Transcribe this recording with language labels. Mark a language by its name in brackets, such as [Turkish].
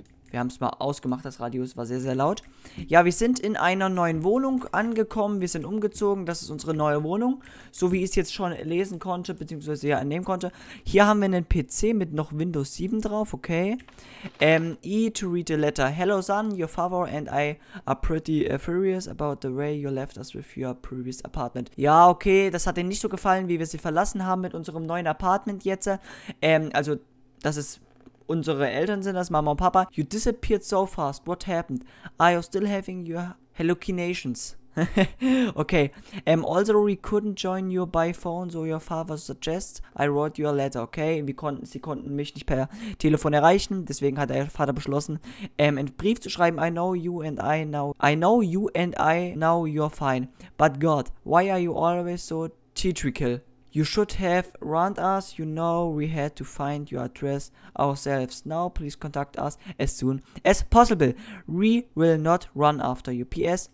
[German] Wir haben es mal ausgemacht, das Radio, es war sehr, sehr laut. Ja, wir sind in einer neuen Wohnung angekommen, wir sind umgezogen, das ist unsere neue Wohnung. So wie ich es jetzt schon lesen konnte, beziehungsweise ja annehmen konnte. Hier haben wir einen PC mit noch Windows 7 drauf, okay. [English] E to read the letter. Hello son, your father and I are pretty furious about the way you left us with your previous apartment. [German] Ja, okay, das hat denen nicht so gefallen, wie wir sie verlassen haben mit unserem neuen Apartment jetzt. Also, das ist... Unsere Eltern sind das, Mama und Papa. [English] You disappeared so fast. What happened? Are you still having your hallucinations? Okay. Also, we couldn't join you by phone, so your father suggests I wrote you a letter. [German] Okay, sie konnten mich nicht per Telefon erreichen. Deswegen hat der Vater beschlossen, einen Brief zu schreiben. [English] I know you and I know you're fine. But God, why are you always so theatrical? You should have warned us, you know, we had to find your address ourselves. Now, please contact us as soon as possible. We will not run after you. P.S.